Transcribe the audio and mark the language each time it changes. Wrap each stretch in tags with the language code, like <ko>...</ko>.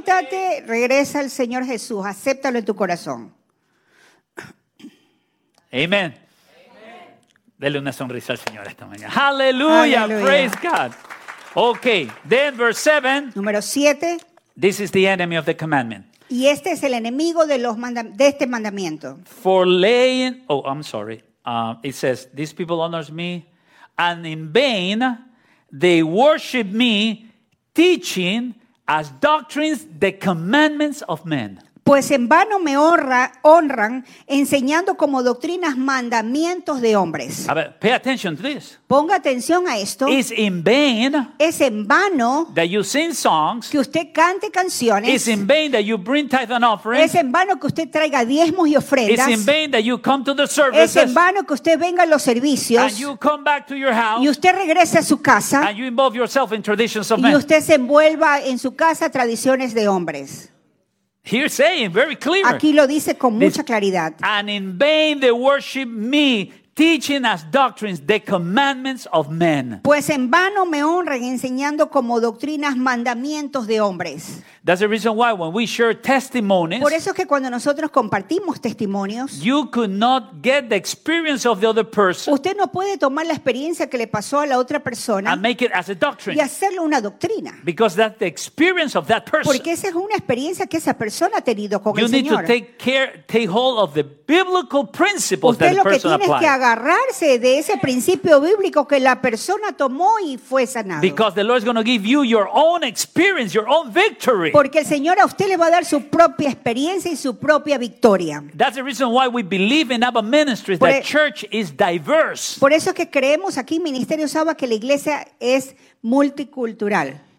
<es>Arrepiéntate, regresa al Señor Jesús, acéptalo en tu corazón. Amen. Dele una sonrisa al Señor esta mañana.</es> <en>Hallelujah, praise God. Okay, then verse 7.</en> <es>Número 7.</es> <en>This is the enemy of the commandment.</en> <es>Y este es el enemigo de los de este mandamiento.</es> <en>For laying, it says, these people honors me, and in vain they worship me, teaching as doctrines the commandments of men.</en> <es>Pues en vano me honran enseñando como doctrinas mandamientos de hombres. A ver,</es> <en>pay attention to this.</en> <es>Ponga atención a esto.</es> <en>It's in vain.</en> <es>Es en vano</es> <en>that you sing songs.</en> <es>Que usted cante canciones.</es> <en>It's in vain that you bring tithe and offerings.</en> <es>Es en vano que usted traiga diezmos y ofrendas.</es> <en>It's in vain that you come to the services.</en> <es>Es en vano que usted venga a los servicios.</es> <en>And you come back to your house.</en> <es>Y usted regrese a su casa.</es> <en>And you involve yourself in traditions of men.</en> <es>Y usted se envuelva en su casa tradiciones de hombres.</es> <en>Here saying very clear.</en> <es>Aquí lo dice con mucha claridad.</es> <en>And in vain they worship me, teaching as doctrines the commandments of men.</en> <es>Pues en vano me honran enseñando como doctrinas mandamientos de hombres.</es> <en>That's the reason why when we share testimonies.</en> <es>Por eso es que cuando nosotros compartimos testimonios.</es> <en>You could not get the experience of the other person.</en> <es>Usted no puede tomar la experiencia que le pasó a la otra persona.</es> <en>And make it as a doctrine.</en> <es>Y hacerlo una doctrina.</es> <en>Because that's the experience of that person.</en> <es>Porque esa es una experiencia que esa persona ha tenido con</es> <en>you</en> <es>el Señor.</es> <en>You need to take hold of the biblical principles</en> <es>usted</es> <en>that the person applied.</en> <es>Usted lo que agarrarse de ese principio bíblico que la persona tomó y fue sanado.</es> <en>Because the Lord is going to give you your own experience, your own victory.</en> <es>Porque el Señor a usted le va a dar su propia experiencia y su propia victoria.</es> <en>That's the reason why we believe in Abba Ministries, that church is diverse.</en> <es>Por eso es que creemos aquí en Ministerio Abba que la iglesia es multicultural.</es>